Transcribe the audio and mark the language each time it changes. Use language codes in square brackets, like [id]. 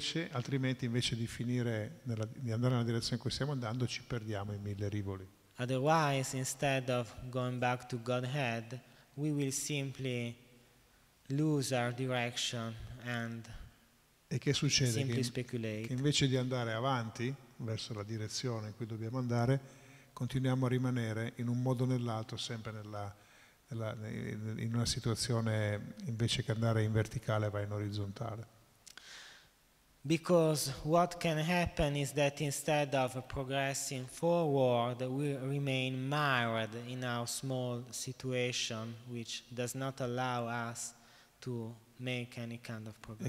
[it] Altrimenti invece di finire di andare nella direzione in cui stiamo andando, ci perdiamo in mille rivoli. [en] Otherwise, instead of going back to Godhead, we will simply lose our direction and simply speculate. [it] Che invece di andare avanti verso la direzione in cui dobbiamo andare, continuiamo a rimanere in un modo o nell'altro sempre in una situazione invece che andare in verticale va in orizzontale. [en] Because what can happen is that instead of progressing forward, we remain mired in our small situation, which does not allow us to make any kind of progress.